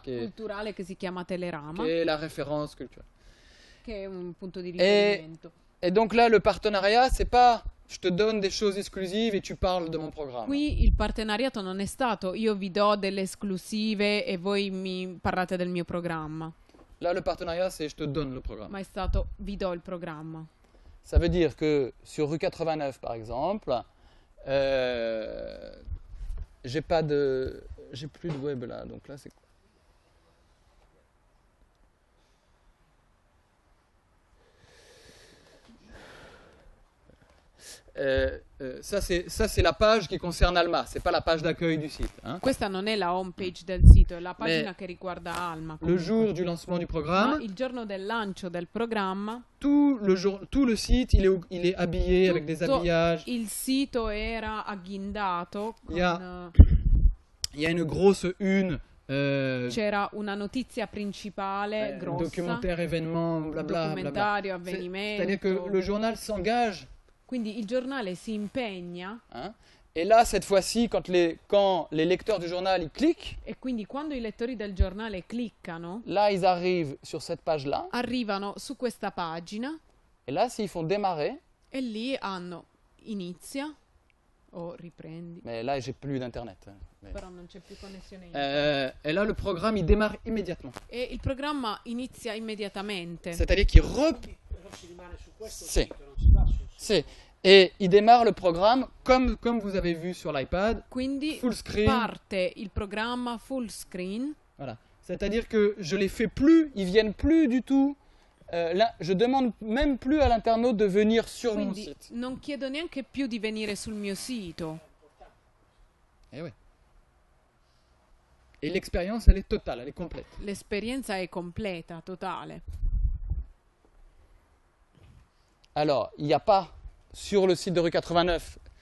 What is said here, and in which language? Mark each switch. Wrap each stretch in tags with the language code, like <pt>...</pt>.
<it>Culturale che si chiama Télérama. Che è</it> <fr>la référence culturelle.</fr> <it>Che è un punto di riferimento.</it> <fr>Et donc là, le partenariat, c'est pas je te donne des choses exclusives et tu parles de mon programme.</fr> <it>Qui, il partenariato non è stato. Io vi do delle esclusive e voi mi parlate del mio programma.</it> <fr>Là, le partenariat, c'est je te donne le programme.</fr> <it>Ma è stato, vi do il programma.</it> <fr>Ça veut dire que sur rue 89, par exemple, j'ai pas de. J'ai plus de web là, donc là, c'est quoi? Ça c'est la page qui concerne Alma, c'est pas la page d'accueil du site. Hein.</fr> <it>Questa non è la home page del sito, è la pagina che riguarda Alma. Comunque.</it> <fr>Le jour du lancement du programme.</fr> <it>Il giorno del lancio del programma.</it> <fr>Tout le site il est habillé</fr> <it>tutto</it> <fr>avec des habillages.</fr> <it>Il sito era agghindato.</it> <fr>Il y a une grosse une.</fr> <it>C'era una notizia principale grossa.</it> <fr>Documentaire événement, blabla.</fr> <it>Documentario avvenimento.</it> <fr>C'est-à-dire que le journal s'engage.</fr> <it>Quindi il giornale si impegna.</it> <fr>Et là, cette fois-ci, quand les lecteurs du journal ils cliquent.</fr> <it>E quindi quando i lettori del giornale cliccano.</it> <fr>Là, ils arrivent sur cette page-là.</fr> <it>Arrivano su questa pagina.</it> <fr>Et là, s'ils font démarrer.</fr> <it>E lì hanno inizia o riprendi.</it> <fr>Mais là, j'ai plus d'internet.</fr> <it>Però non c'è più connessione.</it> <fr>Et là, le programme il démarre immédiatement.</fr> <it>E il programma inizia immediatamente.</it> <fr>C'est-à-dire qu'il</fr> <it>rimane su questo.</it> <fr>C'est. Et il démarre le programme comme vous avez vu sur l'iPad.</fr> <it>Quindi</it> <en>full screen.</en> <it>Parte il programma full screen.</it> <fr>Voilà. C'est-à-dire que je les fais plus, ils viennent plus du tout. Là, je demande même plus à l'internaute de venir sur</fr> <it>Quindi</it> <fr>mon site.</fr> <it>Non chiedo neanche più di venire sul mio sito.</it> <fr>Eh oui. Et l'expérience elle est totale, elle est complète.</fr> <it>L'esperienza è completa, totale.</it> <fr>Alors, il n'y a pas sur le site de rue 89,</fr>